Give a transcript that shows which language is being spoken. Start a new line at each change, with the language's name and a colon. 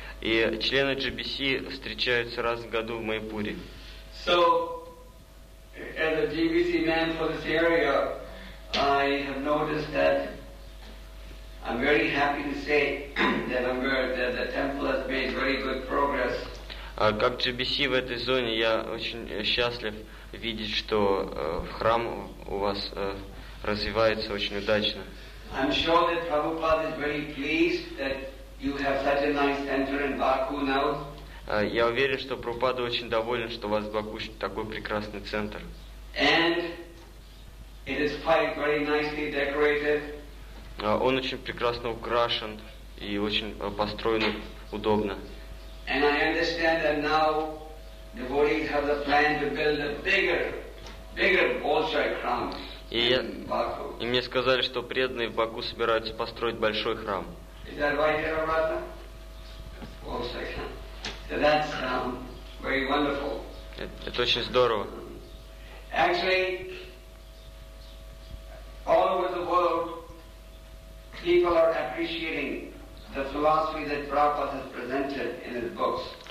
Russian: И члены GBC встречаются раз в году в Майпуре.
English: So, as a GBC man for this area, I have noticed that I'm very happy to say that I'm very, that the temple has made very good progress.
Russian: Как GBC в этой зоне, я очень счастлив видеть, что храм у вас развивается очень удачно.
English: I'm sure that Prabhupada is very pleased that you have such a nice center in Baku now.
Russian: Я уверен, что Прабхупада очень доволен, что у вас в Баку такой прекрасный центр.
English: And it is quite very nicely decorated.
Russian: Он очень прекрасно украшен и очень построен удобно.
English: And I understand that now the devotees have the plan to build a bigger, bigger
Russian: Bolshoi храм
English: in Baku.
Russian: И мне сказали, что преданные в Баку собираются построить большой храм.
English: Is that right, Ravata?
Russian: Bolshoi храм.
English: So that's very wonderful.
Russian: Это очень здорово.
English: Actually, all over the world, people are appreciating the philosophy that Prabhupada has presented in his books.